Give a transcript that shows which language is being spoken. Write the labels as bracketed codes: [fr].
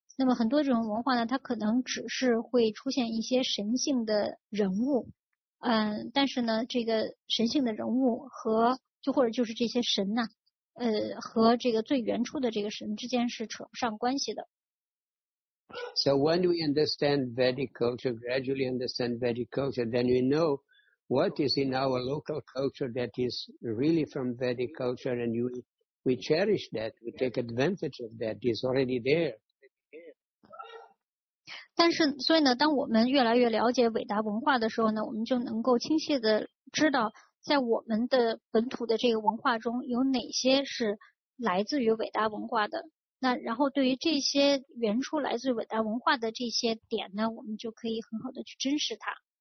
[zh] 那么很多这种文化呢，它可能只是会出现一些神性的人物。但是呢，这个神性的人物和就或者就是这些神呢、啊，和这个最原初的这个神之间是扯不上关系的。 [en] So when we understand Vedic culture, gradually understand Vedic culture, then we know what is in our local culture that is really from Vedic culture, and we cherish that, we take advantage of that, is already there. [zh] 但是所以呢，当我们越来越了解伟达文化的时候呢，我们就能够清晰的知道在我们的本土的这个文化中有哪些是来自于伟达文化的。那然后对于这些原初来自于伟达文化的这些点呢，我们就可以很好的去珍视它。